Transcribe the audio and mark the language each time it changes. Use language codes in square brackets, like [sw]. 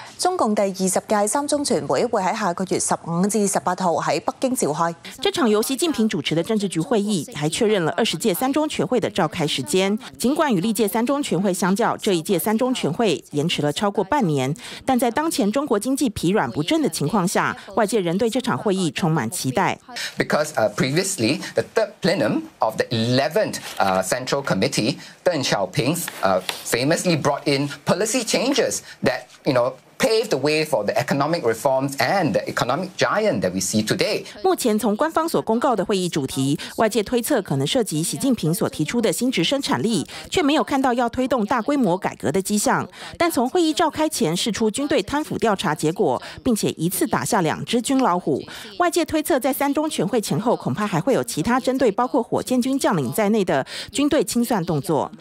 [zh] 中共第20届三中全会会在下个月15至18号在北京召开。这场由习近平主持的政治局会议还确认了20届三中全会的召开时间，尽管与历届三中全会相较，这一届三中全会延迟了超过半年，但在当前中国经济疲软不振的情况下，外界仍对这场会议充满期待。 [en] Because previously the third plenum of the 11th Central Committee, Deng Xiaoping famously brought in policy changes that you know. Paved the way for the economic reforms and the economic giant that we see today. [zh] 目前从官方所公告的会议主题，外界推测可能涉及习近平所提出的新质生产力，却没有看到要推动大规模改革的迹象。但从会议召开前释出军队贪腐调查结果，并且一次打下两只军老虎，外界推测在三中全会前后，恐怕还会有其他针对包括火箭军将领在内的军队清算动作。